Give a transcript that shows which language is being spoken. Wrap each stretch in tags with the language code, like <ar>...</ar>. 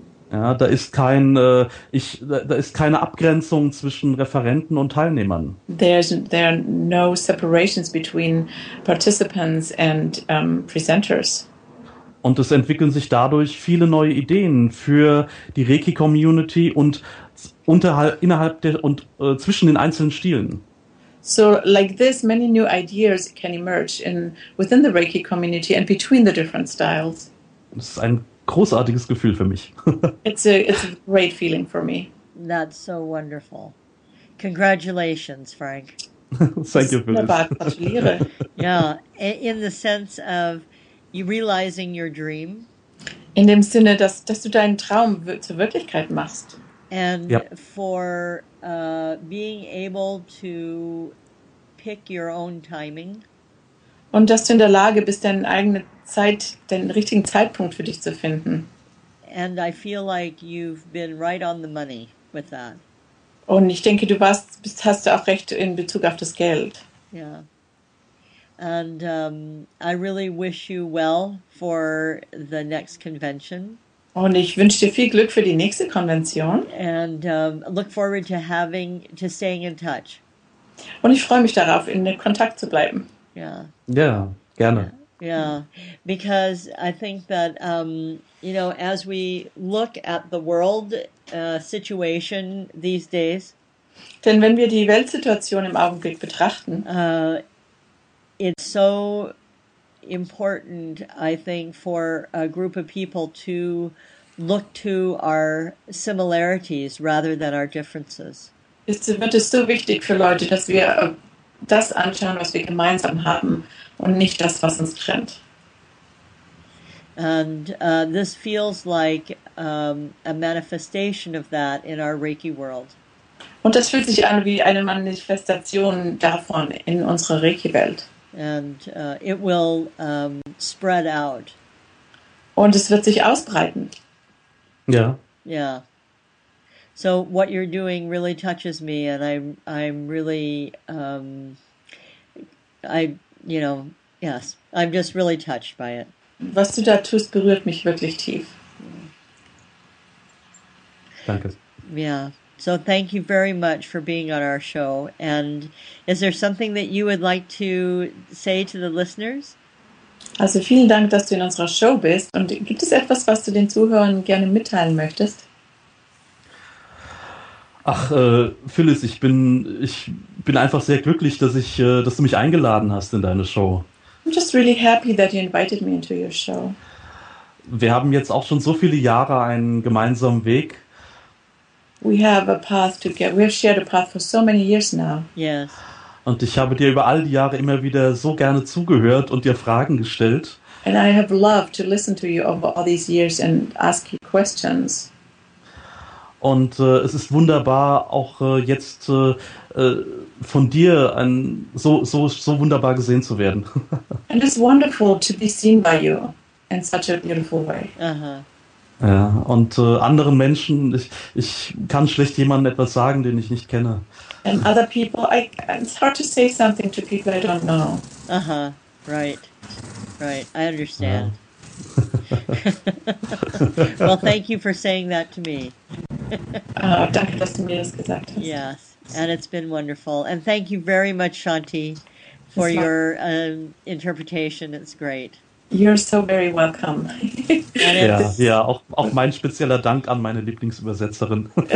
<de>Ja, da ist kein da ist keine Abgrenzung zwischen Referenten und Teilnehmern.</de> <en>There are no separations between participants and presenters.</en> <de>Und es entwickeln sich dadurch viele neue Ideen für die Reiki Community und zwischen den einzelnen Stilen.</de> <en>So like this, many new ideas can emerge within the Reiki community and between the different styles.</en> <de>Das ist ein großartiges Gefühl für mich.</de> <en>It's a great feeling for me. That's so wonderful. Congratulations, Frank. Thank you for this. Yeah, in the sense of you realizing your dream.</en> <de>In dem Sinne, dass du deinen Traum zur Wirklichkeit machst.</de> <en>And yep. For being able to pick your own timing.</en> <de>Und dass du in der Lage bist, deine eigene Zeit, den richtigen Zeitpunkt für dich zu finden.</de> <en>And I feel like you've been right on the money with that.</en> <de>Und ich denke, du hast auch recht in Bezug auf das Geld.</de> <en>Yeah. And I really wish you well for the next convention.</en> <de>Und ich wünsche dir viel Glück für die nächste Konvention.</de> <en>And look forward to having to staying in touch.</en> <de>Und ich freue mich darauf, in Kontakt zu bleiben. Ja. Ja, gerne.</de> <en>Ja, because I think that you know, as we look at the world situation these days.</en> <de>Denn wenn wir die Weltsituation im Augenblick betrachten,</de> <en>it's so important, I think, for a group of people to look to our similarities rather than our differences.</en> <de>Es ist so wichtig für Leute, dass wir das anschauen, was wir gemeinsam haben, und nicht das, was uns trennt.</de> <en>And this feels like a manifestation of that in our Reiki world.</en> <de>Und das fühlt sich an wie eine Manifestation davon in unserer Reiki-Welt.</de> <en>And it will spread out.</en> <de>Und es wird sich ausbreiten. Ja. Ja.</de> <en>So what you're doing really touches me, and I'm really, I'm just really touched by it.</en> <de>Was du da tust, berührt mich wirklich tief. Danke. Ja.</de> <en>So thank you very much for being on our show. And is there something that you would like to say to the listeners?</en> <de>Also vielen Dank, dass du in unserer Show bist. Und gibt es etwas, was du den Zuhörern gerne mitteilen möchtest? Ach, Phyllis, ich bin einfach sehr glücklich, dass du mich eingeladen hast in deine Show.</de> <en>I'm just really happy that you invited me into your show.</en> <de>Wir haben jetzt auch schon so viele Jahre einen gemeinsamen Weg.</de> <en>We have shared a path for so many years now. Yes.</en> <de>Und ich habe dir über all die Jahre immer wieder so gerne zugehört und dir Fragen gestellt.</de> <en>And I have loved to listen to you over all these years and ask you questions.</en> <de>Und es ist wunderbar, auch jetzt von dir ein so wunderbar gesehen zu werden.</de> <en>And it's wonderful to be seen by you in such a beautiful way.</en> <de>Ja, und andere Menschen, ich kann schlecht jemandem etwas sagen, den ich nicht kenne.</de> <en>And other people, it's hard to say something to people I don't know. Right, I understand. Ja. Well, thank you for saying that to me.</en> <de>Danke, dass du mir das gesagt hast.</de> <en>Yes, and it's been wonderful. And thank you very much, Shanti, for your interpretation. It's great. You're so very welcome.</en> <de>Ja, auch mein spezieller Dank an meine Lieblingsübersetzerin.</de>